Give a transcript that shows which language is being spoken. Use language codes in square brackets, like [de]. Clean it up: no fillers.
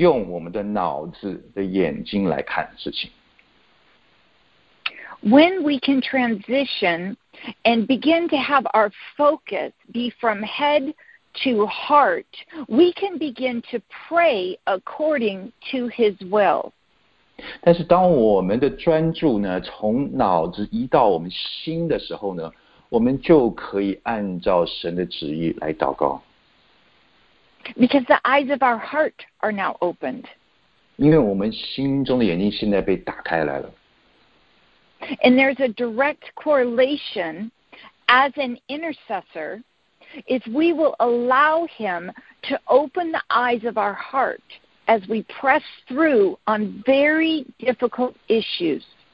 [zh] 因为在我们现在这个社会里面呢，因着我们的教育，因为我们的知识，以至于我们很难能够不用我们的脑子的眼睛来看事情。 [en] When we can transition and begin to have our focus be from head to heart, we can begin to pray according to His will. [zh] 但是当我们的专注呢，从脑子移到我们心的时候呢，我们就可以按照神的旨意来祷告。 [en] Because the eyes of our heart are now opened. [zh] 因为我们心中的眼睛现在被打开来了。 [en] And there's a direct correlation as an intercessor if we will allow him to open the eyes of our heart as we press through on very difficult issues.